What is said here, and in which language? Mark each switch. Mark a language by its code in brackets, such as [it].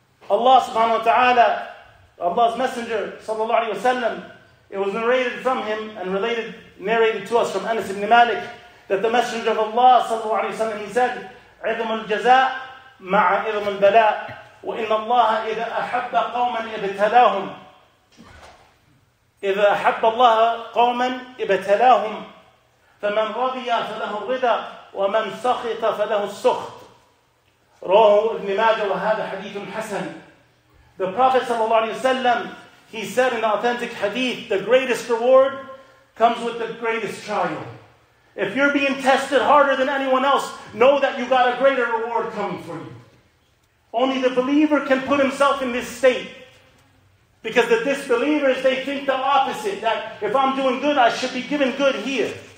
[en] Allah subhanahu wa ta'ala, Allah's Messenger sallallahu alayhi wa sallam, it was narrated from him and narrated to us from Anas ibn Malik, that the Messenger of Allah sallallahu alayhi wa sallam, he said, [ar] عظم الجزاء مع عظم البلاء وإن الله إذا أحب قوما ابتلاهم إذا أحب الله قوما ابتلاهم فمن رضي فله الرضا ومن سخط فله السخط. رواه ابن ماجه وهذا حديث حسن. [en] The Prophet صلى الله عليه وسلم, he said in the authentic hadith, the greatest reward comes with the greatest trial. If you're being tested harder than anyone else, know that you got a greater reward coming for you. Only the believer can put himself in this state. Because the disbelievers, they think the opposite, that if I'm doing good, I should be given good here.